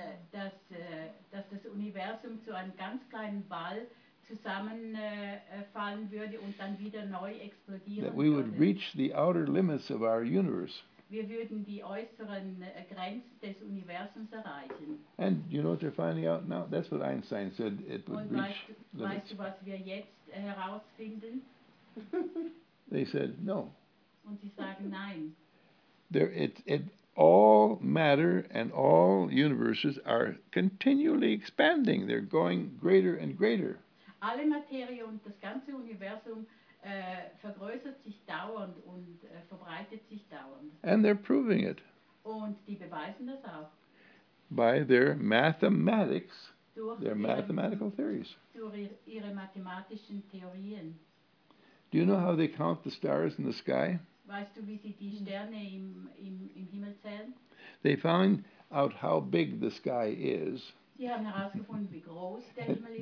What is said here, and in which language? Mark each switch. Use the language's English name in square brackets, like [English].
[German] Dass das Universum zu einem ganz kleinen Ball zusammenfallen würde und dann wieder neu explodieren. [English] That we would reach the outer limits of our universe. [German] Wir würden die äußeren Grenzen des Universums erreichen. [English] And you know what they're finding out now? That's what Einstein said it would reach. [German] Weißt du, was wir jetzt herausfinden? [English] They said no. [German] Und sie sagen nein. [English] There it all matter and all universes are continually expanding. They're going greater and greater. [German] Alle Materie und das ganze Universum vergrößert sich dauernd und verbreitet sich dauernd. [English] And they're proving it. [German] Und die beweisen das auch. [English] By their mathematics, their mathematical theories. [German] Durch ihre mathematischen Theorien. [English] Do you know how they count the stars in the sky? [German] Weißt du, wie sie die Sterne im Himmel zählen? [English] They found out how big the sky is. [German] Sie haben herausgefunden, wie groß der Himmel ist.